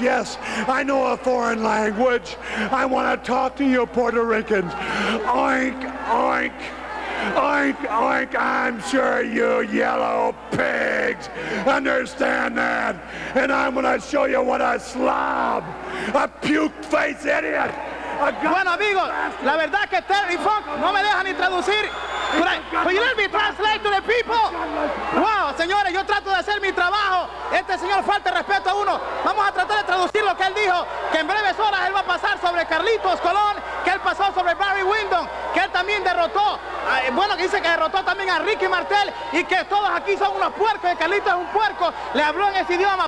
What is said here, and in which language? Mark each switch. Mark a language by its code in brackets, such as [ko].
[en] Yes, I know a foreign language. I want to talk to you Puerto Ricans. Oink, oink. Oink, oink, I'm sure you yellow pigs understand that. And I'm gonna show you what a slob, a puke-faced idiot. [es] Bueno amigos, la verdad que Terry Funk no me deja ni traducir. [en] Could you let me translate to the people? [es] Wow, señores, yo trato de hacer mi trabajo. Este señor falta respeto a uno. Vamos a tratar de traducir lo que él dijo. Que en breves horas él va a pasar sobre Carlitos Colón. Que él pasó sobre Barry Windham. Que él también derrotó. Bueno, dice que derrotó también a Ricky Martel. Y que todos aquí son unos puercos. Y Carlitos es un puerco. Le habló en ese idioma.